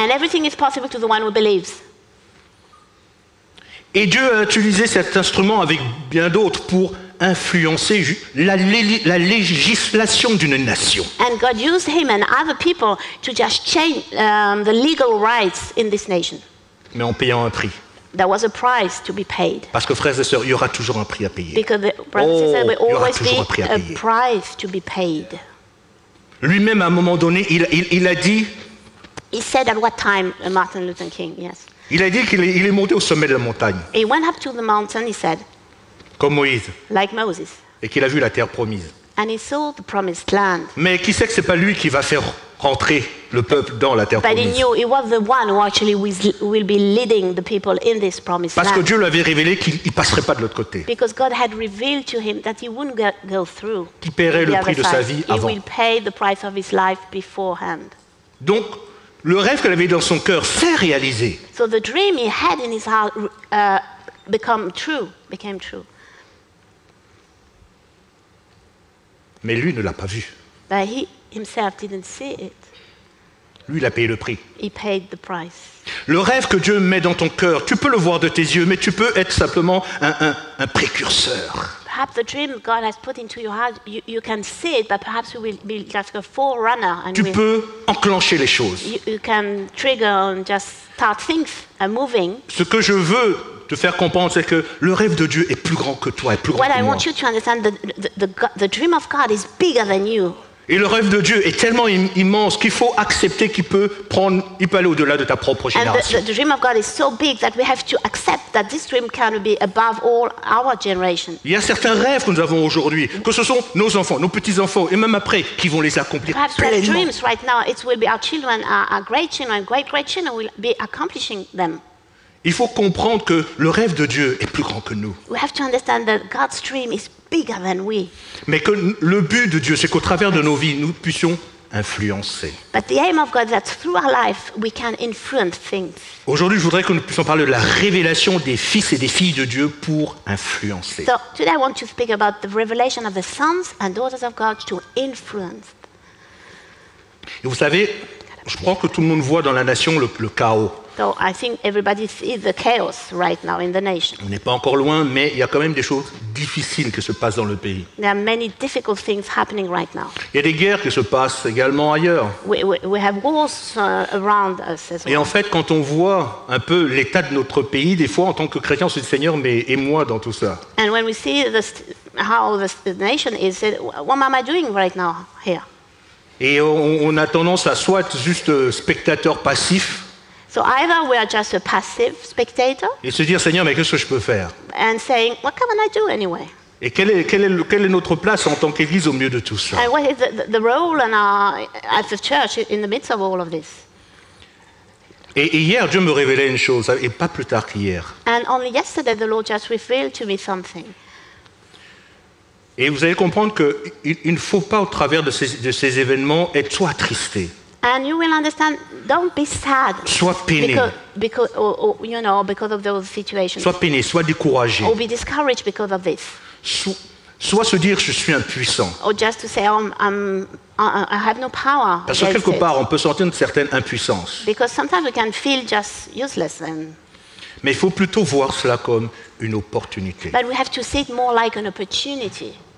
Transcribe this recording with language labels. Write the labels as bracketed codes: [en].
[en] And everything is possible to the one who believes. [fr] Et Dieu a utilisé cet instrument avec bien d'autres pour influencer la législation d'une nation. [en] And God used him and other people to just change the legal rights in this nation. [fr] Mais en payant un prix. [en] There was a price to be paid. [fr] Parce que frères et sœurs, il y aura toujours un prix à payer. [en] Because brothers and sisters, there will always be a price to be paid. [fr] Lui-même, à un moment donné, il a dit. [en] He said at what time Martin Luther King? Yes. [fr] Il a dit qu'il est monté au sommet de la montagne. [en] He went up to the mountain. He said. [fr] Comme Moïse. [en] Like Moses. [fr] Et qu'il a vu la terre promise. [en] And he saw the promised land. [fr] Mais qui sait que ce n'est pas lui qui va faire rentrer le peuple dans la terre [en] but [fr] promise. [en] But he knew he was the one who actually will be leading the people in this promised [fr] parce [en] land. [fr] Parce que Dieu lui avait révélé qu'il ne passerait pas de l'autre côté. [en] Because God had revealed to him that he wouldn't go through. [fr] Qu'il paierait le prix de sa vie avant. [en] He will pay the price of his life beforehand. [fr] Donc, le rêve qu'il avait dans son cœur s'est réalisé. [en] So the dream he had in his heart became true. [fr] Mais lui ne l'a pas vu. [en] But he himself didn't see it. [fr] Lui, il a payé le prix. [en] He paid the price. [fr] Le rêve que Dieu met dans ton cœur, tu peux le voir de tes yeux, mais tu peux être simplement un précurseur. [en] Perhaps the dream God has put into your heart, you can see it, but perhaps you will be like a forerunner. And [fr] tu peux enclencher les choses. [en] You can trigger and just start things moving. [fr] Ce que je veux te faire comprendre, c'est que le rêve de Dieu est plus grand que toi, est plus grand [en] what [fr] que [en] I [fr] moi. [en] What I want you to understand, the dream of God is bigger than you. [fr] Et le rêve de Dieu est tellement immense qu'il faut accepter qu'il peut prendre, il peut aller au-delà de ta propre génération. [en] And the dream of God is so big that we have to accept that this dream can be above all our generation. [fr] Il y a certains rêves que nous avons aujourd'hui, que ce sont nos enfants, nos petits-enfants, et même après, qui vont les accomplir [en] perhaps [fr] pleinement. [en] Perhaps dreams right now, it will be our children, our great children, great children will be accomplishing them. [fr] Il faut comprendre que le rêve de Dieu est plus grand que nous. [en] We have to understand that God's dream is bigger than we. [fr] Mais que le but de Dieu, c'est qu'au travers de nos vies, nous puissions influencer. [en] But the aim of God is that through our life, we can influence things. [fr] Aujourd'hui, je voudrais que nous puissions parler de la révélation des fils et des filles de Dieu pour influencer. [en] So today I want to speak about the revelation of the sons and daughters of God to influence. [fr] Et vous savez, je crois que tout le monde voit dans la nation le chaos. [en] So I think everybody sees the chaos right now in the nation. [fr] On n'est pas encore loin, mais il y a quand même des choses difficiles qui se passent dans le pays. [en] There are many difficult things happening right now. [fr] Il y a des guerres qui se passent également ailleurs. [en] We have wars around us as well. [fr] Et en fait, quand on voit un peu l'état de notre pays, des fois, en tant que chrétien, on se dit, Seigneur, mais et moi dans tout ça? [en] And when we see how the nation is, what am I doing right now here? [fr] Et on a tendance à soit juste spectateur passif. [en] So either we are just a passive spectator. [fr] Et se dire, Seigneur, mais qu'est-ce que je peux faire? [en] And saying, what can I do anyway? [fr] Et quelle est notre place en tant qu'Église au milieu de tout ça? [en] And what is the role in our as a church in the midst of all of this? [fr] Et hier, Dieu me révélait une chose, et pas plus tard qu'hier. [en] And only yesterday, the Lord just revealed to me something. [fr] Et vous allez comprendre qu'il ne faut pas, au travers de ces événements, être soit attristé. [en] And you will understand, don't be sad. [fr] Soit peiné. [en] Because of those situations. [fr] Soit peiné, soit découragé. [en] Or be discouraged because of this. [fr] Soit se dire, je suis impuissant. [en] Or just to say, I have no power. [fr] Parce que quelque part, on peut sentir une certaine impuissance. [en] Because sometimes we can feel just useless. [fr] Mais il faut plutôt voir cela comme une opportunité. [en] But we have to see it more like an opportunity.